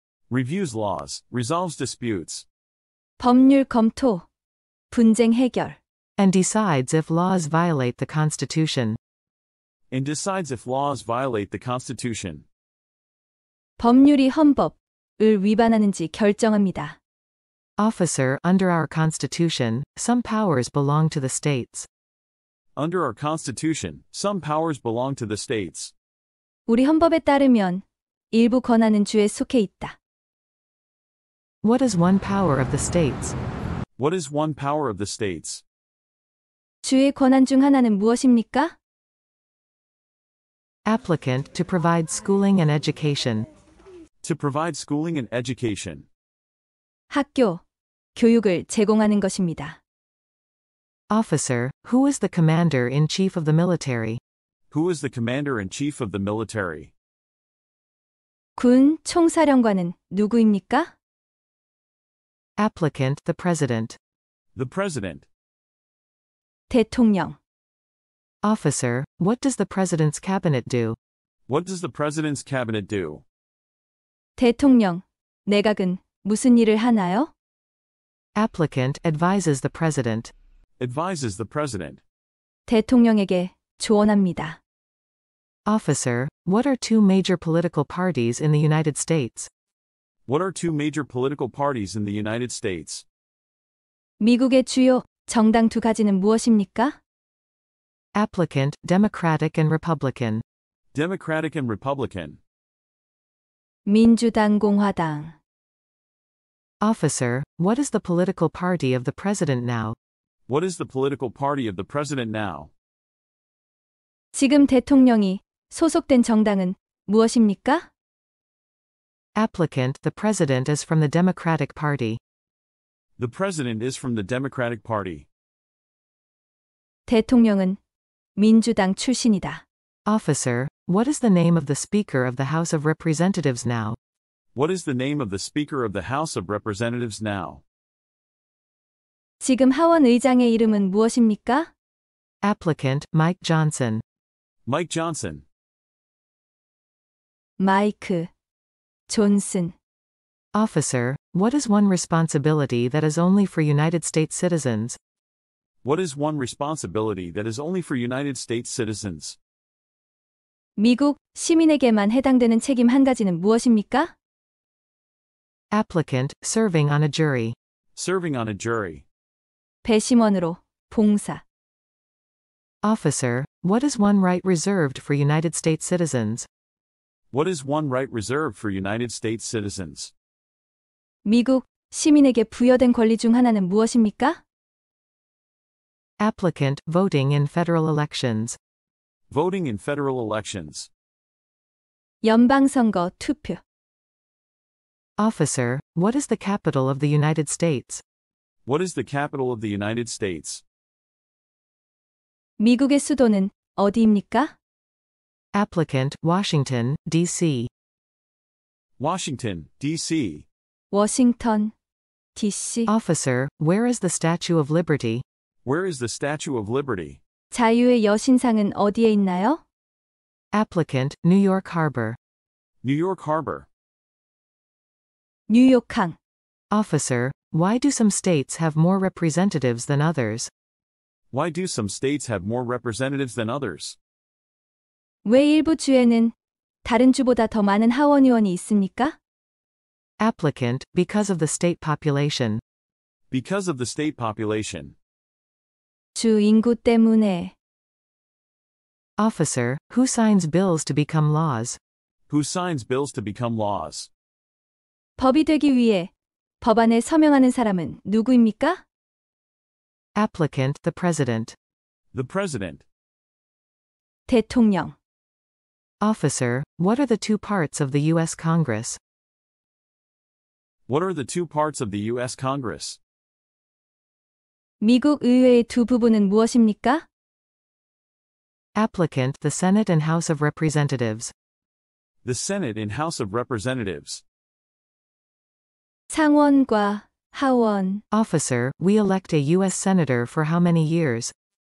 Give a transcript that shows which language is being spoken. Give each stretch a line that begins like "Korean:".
English: Reviews laws, resolves disputes.
Korean: 법률 검토, 분쟁 해결.
English: And decides if laws violate the Constitution. And decides if laws violate the Constitution.
Korean: 법률이 헌법을 위반하는지 결정합니다.
English: Officer, under our Constitution, some powers belong to the states. Under our Constitution, some powers belong to the states.
Korean: 우리 헌법에 따르면 일부 권한은 주에 속해 있다.
English: What is one power of the states? What is one power of the states?
Korean: 주의 권한 중 하나는 무엇입니까?
English: Applicant, to provide schooling and education. To provide schooling and education.
Korean: 학교, 교육을 제공하는 것입니다.
English: Officer, who is the commander-in-chief of the military? Who is the commander-in-chief of the military?
Korean: 군 총사령관은 누구입니까?
English: Applicant, the president. The president.
Korean: 대통령.
English: Officer, what does the president's cabinet do? What does the president's cabinet do?
Korean: 대통령, 내각은 무슨 일을 하나요?
English: Applicant, advises the president. Advises the president.
Korean: 대통령에게 조언합니다.
English: Officer, what are two major political parties in the United States? What are two major political parties in the United States?
Korean: 미국의 주요 정당 두 가지는 무엇입니까?
English: Applicant, Democratic and Republican. Democratic and Republican.
Korean: 민주당, 공화당.
English: Officer, what is the political party of the president now? What is the political party of the president now?
Korean: 지금 대통령이 소속된 정당은 무엇입니까?
English: Applicant, the president is from the Democratic Party. The president is from the Democratic Party.
Korean: 대통령은 민주당 출신이다.
English: Officer, what is the name of the Speaker of the House of Representatives now? What is the name of the Speaker of the House of Representatives now?
Korean: 지금 하원 의장의 이름은 무엇입니까?
English: Applicant, Mike Johnson. Mike Johnson.
Korean: 마이크. Johnson.
English: Officer, what is one responsibility that is only for United States citizens? What is one responsibility that is only for United States citizens?
Korean: 미국 시민에게만 해당되는 책임 한 가지는 무엇입니까?
English: Applicant, serving on a jury. Serving on a jury.
Korean: 배심원으로, 봉사.
English: Officer, what is one right reserved for United States citizens? What is one right reserved for United States citizens?
Korean: 미국 시민에게 부여된 권리 중 하나는 무엇입니까?
English: Applicant, voting in federal elections. Voting in federal elections.
Korean: 연방선거 투표.
English: Officer, what is the capital of the United States? What is the capital of the United States?
Korean: 미국의 수도는 어디입니까?
English: Applicant, Washington, D.C. Washington, D.C. Washington, D.C. Officer, where is the Statue of Liberty? Where is the Statue of Liberty?
Korean: 자유의 여신상은 어디에 있나요?
English: Applicant, New York Harbor. New York Harbor.
Korean: 뉴욕항.
English: Officer, why do some states have more representatives than others? Why do some states have more representatives than others?
Korean: 왜 일부 주에는 다른 주보다 더 많은 하원 의원이 있습니까?
English: Applicant, because of the state population. Because of the state population.
Korean: 주 인구 때문에.
English: Officer, who signs bills to become laws? Who signs bills to become laws?
Korean: 법이 되기 위해 법안에 서명하는 사람은 누구입니까?
English: Applicant, the president. The president.
Korean: 대통령.
English: Officer, what are the two parts of the U.S. Congress? What are the two parts of the U.S. Congress?
Korean: 미국 의회의 두 부분은 무엇입니까?
English: Applicant, the Senate and House of Representatives. The Senate and House of Representatives.
Korean: 상원과 하원.
English: Officer, we elect a U.S. Senator for how many years?